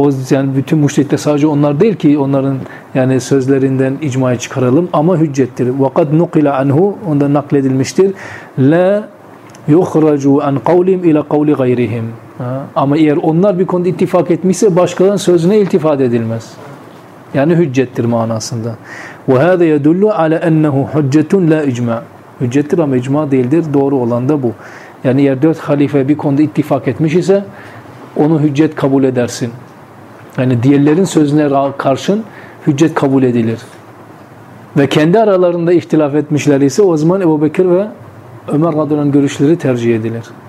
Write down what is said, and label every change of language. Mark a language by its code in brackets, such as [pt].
[tr] Yani bütün müştehitler sadece onlar değil ki onların yani sözlerinden icmayı çıkaralım. Ama hüccettir. [ar] وَقَدْ نُقِلَ عَنْهُ [tr] Ondan nakledilmiştir. [ar] لَا يُخْرَجُوا اَنْ قَوْلِهِمْ اِلَى قَوْلِ غَيْرِهِمْ [tr] Ama eğer onlar bir konuda ittifak etmişse başkalarının sözüne iltifat edilmez. Yani hüccettir manasında. [ar] وَهَذَا يَدُلُّ عَلَى اَنَّهُ حُجَّةٌ لَا اِجْمَعٌ [tr] Hüccettir ama icma değildir. Doğru olan da bu. Yani eğer dört halife bir konuda ittifak etmiş ise onu hüccet kabul edersin. Yani diğerlerin sözüne karşın hüccet kabul edilir. Ve kendi aralarında ihtilaf etmişler ise o zaman Ebu Bekir ve Ömer radıyallahu anh görüşleri tercih edilir.